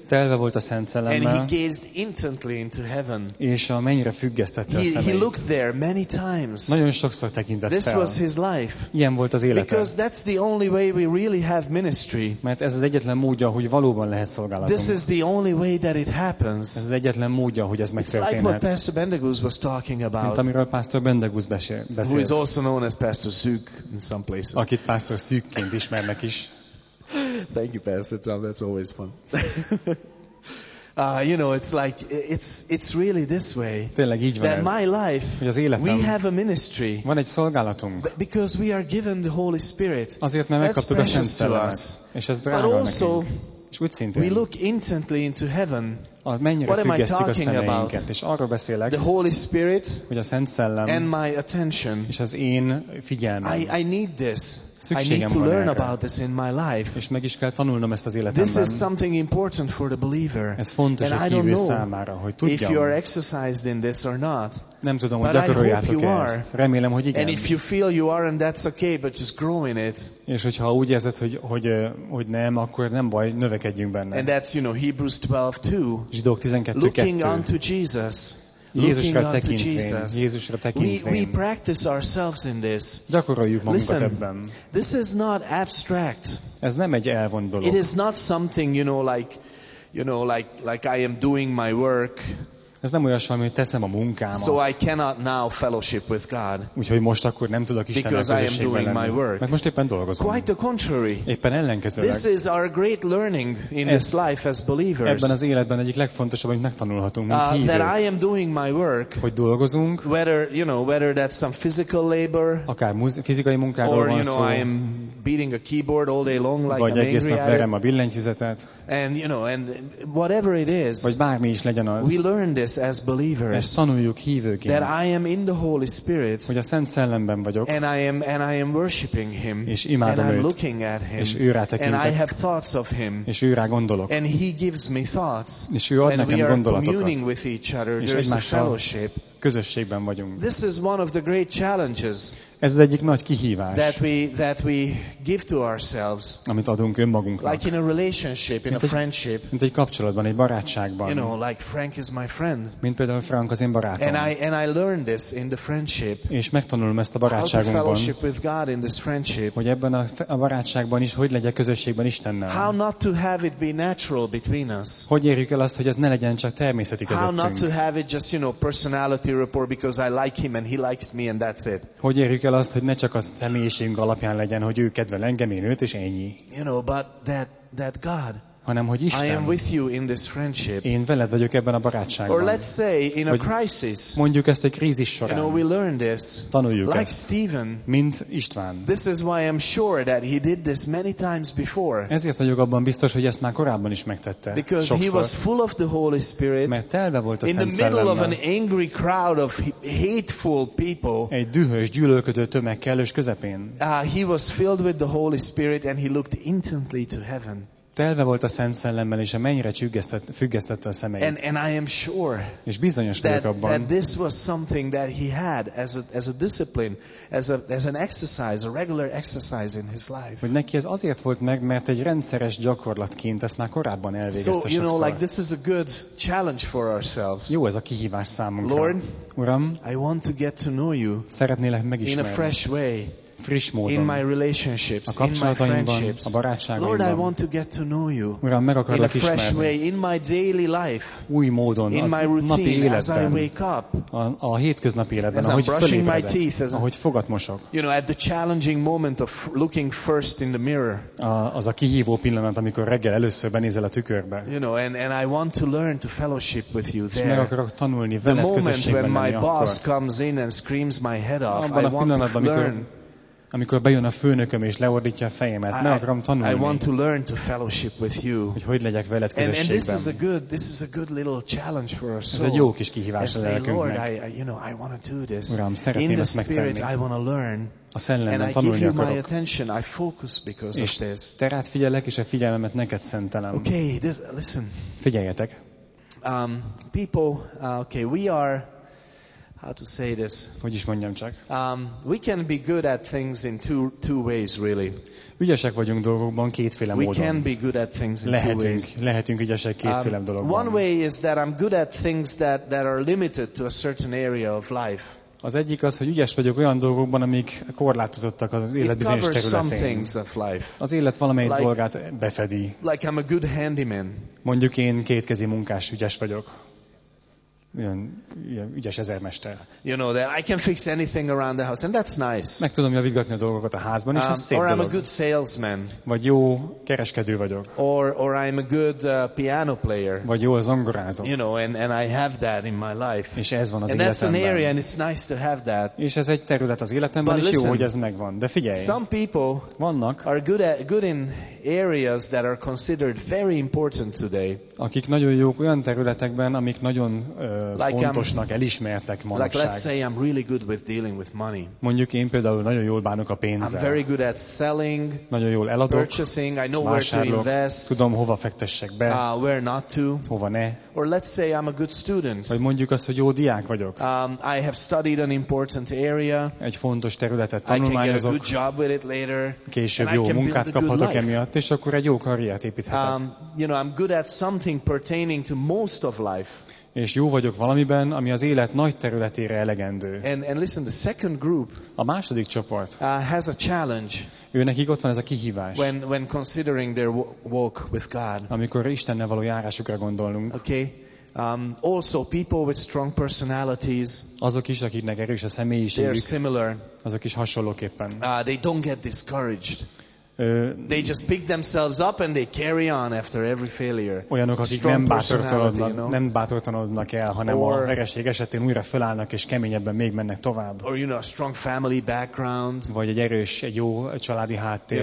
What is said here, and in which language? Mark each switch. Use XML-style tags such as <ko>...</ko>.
<hu>Telve volt a Szent Szellemmel.</hu> <en>And he gazed intently into heaven.</en> <hu>És a mennyre függesztette a szemeit.</hu> <en>He looked there many times.</en> <hu>Nagyon sokszor tekintett</hu> <en>this</en> <hu>fel.</hu> <en>This was his life.</en> <hu>Ilyen volt az élete.</hu> <en>Because that's the only way we really have ministry.</en> <hu>Mert ez az egyetlen módja, hogy valóban lehet szolgálatunk.</hu> <en>This is the only way that it happens.</en> <hu>Ez az egyetlen módja, hogy ez megtörténhet.</hu> <en>It's like what Pastor Bendegúz was talking about.</en> <hu>Mint amiről Pastor Bendegúz beszélt.</hu> <en>Who is also known as Pastor Szűk in some places.</en> <hu>Akit Pastor Szűkként ismernek is.</hu> <en>Thank you, Pastor Tom. That's always fun. You know, it's like it's really this way.</en> <hu>Tényleg így van</hu> <en>that</en> <hu>ez.</hu> <en>My life,</en> <hu>hogy az életem,</hu> <en>we have a ministry.</en> <hu>Van egy szolgálatunk.</hu> <en>Because we are given the Holy Spirit.</en> <hu>Azért, mert megkaptuk a Szent Szellemet. És ez drága nekünk.</hu> <en>But also,</en> <hu>és úgy szintén,</hu> <en>we look intently into heaven. What am I talking about?</en> <hu>És arról beszélek,</hu> <en>the Holy Spirit,</en> <hu>hogy a Szent Szellem,</hu> <en>and my attention.</en> <hu>És az én figyelmem.</hu> <en>I need this.</en> <hu>Szükségem</hu> <en>I need to learn</en> <hu>erre.</hu> <en>About this in my life.</en> <hu>És meg is kell tanulnom ezt az életemben.</hu> <en>This is something important for the believer.</en> <hu>Ez fontos</hu> <en>and</en> <hu>a hívő számára, hogy tudjam. If you are exercised in this or not. Nem tudom, hogy gyakoroljátok-e ezt. Remélem, hogy igen.</hu> <en>And if you feel you are, and that's okay, but just grow in it.</en> <hu>És hogyha úgy érzed, hogy nem, akkor nem baj, növekedjünk benne.</hu> <en>And that's, you know, Hebrews 12:2.</en> <hu>Zsidók 12:2.</hu> <en>Looking unto Jesus.</en> <hu>Jézusra tekintve.</hu> <en>We practice ourselves in this.</en> <hu>Gyakoroljuk magunkat ebben.</hu> <en>This is not abstract.</en> <hu>Ez nem egy elvont dolog.</hu> <en>It is not something, like I am doing my work.</en> <hu>Ez nem olyasmi, hogy teszem a munkámat.</hu> <en>So I cannot now fellowship with God.</en> <hu>Úgyhogy most akkor nem tudok Istennel közösségben lenni. Mert most éppen dolgozom.</hu> <en>Quite the contrary.</en> <hu>Éppen ellenkezőleg.</hu> <en>This is our great learning in this life as believers.</en> <hu>Ebben az életben egyik legfontosabb, amit megtanulhatunk, mint hívők.</hu> <en>That I am doing my work.</en> <hu>Hogy dolgozunk.</hu> <en>Whether, you know, whether that's some physical labor.</en> <hu>Akár fizikai munkáról van szó.</hu> <en>Or, you know, I am beating a keyboard all day long like an angry at it.</en> <hu>Vagy egész nap verem a billentyűzetet.</hu> <en>And, you know, and whatever it is.</en> <hu>Vagy bármi is legyen az.</hu> <en>We learn this. As believers, that I am in the Holy Spirit,</en> <hu>hogy a Szent Szellemben vagyok,</hu> <en>and I am worshiping Him,</en> <hu>és imádom</hu> <en>and I'm</en> <hu>őt,</hu> <en>looking at Him,</en> <hu>és ő rá tekintek,</hu> <en>and I have thoughts of Him,</en> <hu>és ő rá gondolok,</hu> <en>and He gives me thoughts,</en> <hu>és ő ad nekem gondolatokat,</hu> <en>and we are communing with each other, there's a fellowship.</en> <hu>Közösségben vagyunk.</hu> <en>This is one of the great challenges.</en> <hu>Ez az egyik nagy kihívás.</hu> <en>That we give to ourselves.</en> <hu>Amit adunk önmagunknak.</hu> <en>Like in a relationship, in a friendship.</en> <hu>Mint egy kapcsolatban, egy barátságban.</hu> <en>You know, like Frank is my friend.</en> <hu>Mint például Frank az én barátom.</hu> <en>And I learned this in the friendship.</en> <hu>És megtanulom ezt a barátságunkban.</hu> <en>How to fellowship with God in this friendship.</en> <hu>Hogy ebben a barátságban is hogy legyek közösségben Istennel.</hu> <en>How not to have it be natural between us.</en> <hu>Hogy érjük el azt, hogy ez ne legyen csak természeti közöttünk.</hu> <en>How not to have it just, you know, personality. Report because I like him and he likes me and that's it.</en> <hu>Hogy érjük el azt, hogy ne csak a személyiségünk alapján legyen, hogy ő kedvel engem, én őt, és ennyi.</hu> <en>You know, but that God.</en> <hu>hanem hogy Isten.</hu> <en>I am with you in this friendship.</en> <hu>Én veled vagyok ebben a barátságban.</hu> <en>Or let's say in a crisis.</en> <hu>Mondjuk ezt egy krízis során.</hu> <en>You know, we learn this.</en> <hu>Tanuljuk ezt.</hu> <en>Like Stephen.</en> <hu>Mint István.</hu> <en>This is why I'm sure that he did this many times before.</en> <hu>Ezért vagyok abban biztos, hogy ezt már korábban is megtette.</hu> <en>Because</en> <hu>sokszor.</hu> <en>He was full of the Holy Spirit.</en> <hu>Mert telve volt a Szent Szellemmel.</hu> <en>In the middle of an angry crowd of hateful people.</en> <hu>Egy dühös, gyűlölködő tömeg kellős közepén.</hu> <en>He was filled with the Holy Spirit and he looked intently to heaven.</en> <hu>Telve volt a Szent Szellemmel, és a mennyre függesztette a szemeit.</hu> <en>And I am sure.</en> <hu>És bizonyos vagyok abban.</hu> <en>That this was something that he had as a discipline, as an exercise, a regular exercise in his life.</en> <hu>Hogy neki ez azért volt meg, mert egy rendszeres gyakorlatként ezt már korábban elvégezte sokszor.</hu> <en>So you know, like this is a good challenge for ourselves.</en> <hu>Jó ez a kihívás számunkra.</hu> <en>Lord,</en> <hu>Uram,</hu> <en>I want to get to know you.</en> <hu>Szeretnélek megismerni.</hu> <en>In a fresh way.</en> <hu>Friss módon,</hu> <en>in my relationships,</en> <hu>a kapcsolataimban, a barátságaimban.</hu> <en>Lord, I want to get to know you.</en> <hu>Uram, meg akarlak ismerni.</hu> <en>In a fresh way, in my daily life.</en> <hu>Új módon,</hu> <en>in my routine, as I wake up.</en> <hu>A hétköznapi életben,</hu> <en>as</en> <hu>ahogy</hu> <en>I'm brushing my teeth, as</en> <hu>ahogy fogat mosok.</hu> <en>You know, at the challenging moment of looking first in the mirror.</en> <hu>Az a kihívó pillanat, amikor reggel először benézel a tükörbe.</hu> <en>You know, and I want to learn to fellowship with you there.</en> <hu>És meg akarok tanulni veled közösségben lenni.</hu> <en>The moment when my boss comes in and screams my head off, I want to learn.</en> <hu>Amikor bejön a főnököm és leordítja a fejemet, meg akarom tanulni.</hu> <en>I want to learn to fellowship with you.</en> <hu>Hogy legyek veled közösségben.</hu> <en>And this is a good, little challenge for us.</en> <hu>Ez egy jó kis kihívás a lelkünknek.</hu> <en>Lord, I want to do this.</en> <hu>Uram, szeretném ezt megtenni.</hu> <en>In the spirit, I want to learn.</en> <hu>A szellemben</hu> <en>and</en> <hu>tanulni</hu> <en>I give you</en> <hu>akarok.</hu> <en>My attention. I focus because</en> <hu>és</hu> <en>of this.</en> <hu>Te rád figyelek és a figyelmemet neked szentelem.</hu> <en>Okay, this, listen.</en> <hu>Figyeljetek.</hu> <en>People, we are. How to say this?</en> <hu>Hogy is mondjam csak?</hu> <en>We can be good at things in two ways, really.</en> <hu>Ügyesek vagyunk dolgokban kétféle módon.</hu> <en>We can be good at things in two ways.</en> <hu>Lehetünk ügyesek kétféle dologban. One way is that I'm good at things that are limited to a certain area of life. Az egyik az, hogy ügyes vagyok olyan dolgokban, amik korlátozottak az élet bizonyos területén. Az élet valamelyik dolgát befedi.</hu> <en>Like I'm a good handyman.</en> <hu>Mondjuk én kétkezi munkás ügyes vagyok. Ilyen ügyes ezermester.</hu> <en>You know that I can fix anything around the house and that's nice.</en> <hu>Meg tudom javítgatni a dolgokat a házban és ez szép</hu> <en>or</en> <hu>dolog.</hu> <en>I'm a good salesman.</en> <hu>Vagy jó kereskedő vagyok.</hu> <en>Or I'm a good piano player.</en> <hu>Vagy jó zongorázom.</hu> <en>You know and I have that in my life.</en> <hu>És ez van az</hu> <en>and</en> <hu>életemben.</hu> <en>And that's an area and it's nice to have that.</en> <hu>És ez egy terület az életemben</hu> <en>but</en> <hu>és</hu> <en>listen,</en> <hu>jó, hogy ez megvan. De figyelj.</hu> <en>Some people</en> <hu>vannak,</hu> <en>are good in areas that are considered very important today.</en> <hu>Akik nagyon jók olyan területekben, amik nagyon fontosnak, elismertek manapság.</hu> <en>Like let's say I'm really good with dealing with money.</en> <hu>Mondjuk én például nagyon jól bánok a pénzzel.</hu> <en>I'm very good at selling.</en> <hu>Nagyon jól eladok.</hu> <en>Purchasing. I know where to invest.</en> <hu>Tudom hova fektessek be.</hu> <en>Where not to.</en> <hu>Hova ne.</hu> <en>Or let's say I'm a good student.</en> <hu>Vagy mondjuk azt, hogy jó diák vagyok.</hu> <en>I have studied an important area.</en> <hu>Egy fontos területet tanulmányozok.</hu> <en>I can get a good job with it later.</en> <hu>Később jó munkát kaphatok emiatt, és akkor egy jó karriert építhetek.</hu> <en>You know, I'm good at something pertaining to most of life.</en> <hu>És jó vagyok valamiben, ami az élet nagy területére elegendő.</hu> <en>And listen, the second group,</en> <hu>a második csoport</hu> <en>has a challenge.</en> <hu>Őnekik ott van ez a kihívás.</hu> <en>When considering their walk with God.</en> <hu>Amikor Istennel való járásukra gondolunk.</hu> <en>Okay. Also people with strong personalities.</en> <hu>Azok is, akiknek erős a személyiségük.</hu> <en>They're similar.</en> <hu>Azok is hasonlóképpen.</hu> <en>They don't get discouraged. They just pick themselves up and they carry on after every failure.</en> <hu>Olyanok, akik nem bátortalanodnak,</hu> <en>you know?</en> <hu>Nem bátortalanodnak el, hanem</hu> <en>or,</en> <hu>a vereség esetén újra fölállnak és keményebben még mennek tovább.</hu> <en>Or, you know, a strong family background.</en> <hu>Vagy egy erős, egy jó családi háttér.</hu>